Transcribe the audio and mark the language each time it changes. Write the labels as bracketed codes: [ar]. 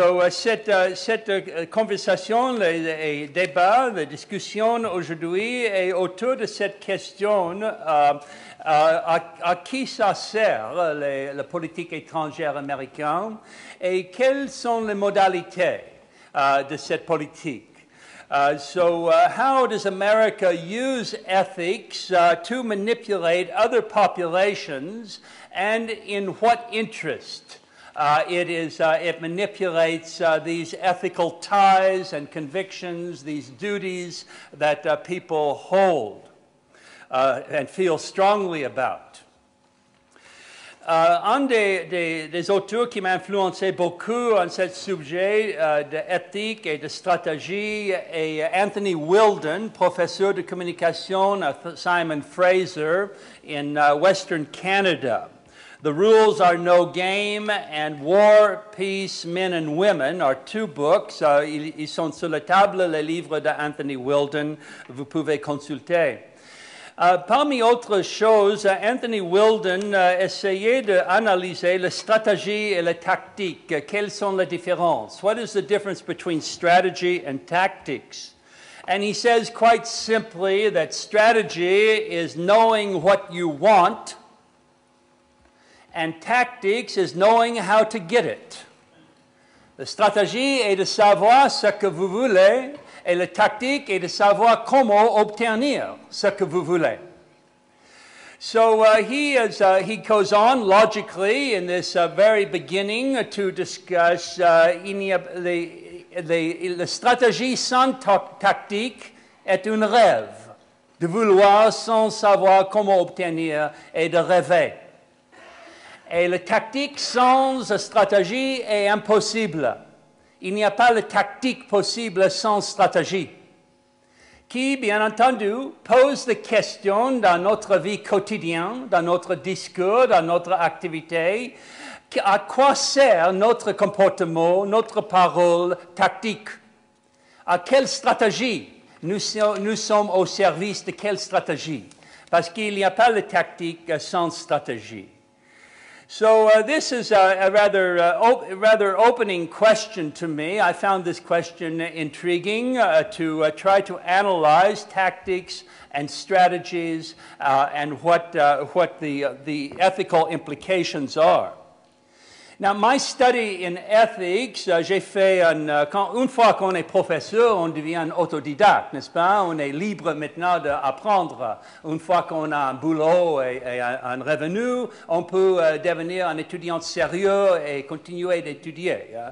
[fr] Cette conversation, les débats, les discussions aujourd'hui est autour de cette question, à qui ça sert la politique étrangère américaine et quelles sont les modalités de cette politique? [en] How does America use ethics to manipulate other populations, and in what interest it manipulates these ethical ties and convictions, these duties that people hold and feel strongly about? [fr] Un des auteurs qui m'a influencé beaucoup en ce sujet d'éthique et de stratégie est Anthony Wilden, professeur de communication à Simon Fraser [en] in Western Canada. The Rules Are No Game and War, Peace, Men and Women are two books. [fr] Ils sont sur la table, les livres d'Anthony Wilden. Vous pouvez consulter. Parmi autres choses, Anthony Wilden essayait d'analyser la stratégie et la tactique. Quelles sont les différences? [en] What is the difference between strategy and tactics? And he says quite simply that strategy is knowing what you want, and tactics is knowing how to get it. [fr] La stratégie est de savoir ce que vous voulez, et la tactique est de savoir comment obtenir ce que vous voulez. [en] So he goes on logically in this very beginning to discuss [fr] la stratégie sans tactique est un rêve, de vouloir sans savoir comment obtenir et de rêver. Et la tactique sans la stratégie est impossible. Il n'y a pas de tactique possible sans stratégie. Qui, bien entendu, pose la question dans notre vie quotidienne, dans notre discours, dans notre activité, à quoi sert notre comportement, notre parole tactique? À quelle stratégie? Nous sommes au service de quelle stratégie? Parce qu'il n'y a pas de tactique sans stratégie. [en] So this is a rather opening question to me. I found this question intriguing to try to analyze tactics and strategies and what the ethical implications are. Now, my study in ethics, [fr] j'ai fait une fois qu'on est professeur, on devient autodidacte, n'est-ce pas? On est libre maintenant d'apprendre. Une fois qu'on a un boulot et un revenu, on peut devenir un étudiant sérieux et continuer d'étudier.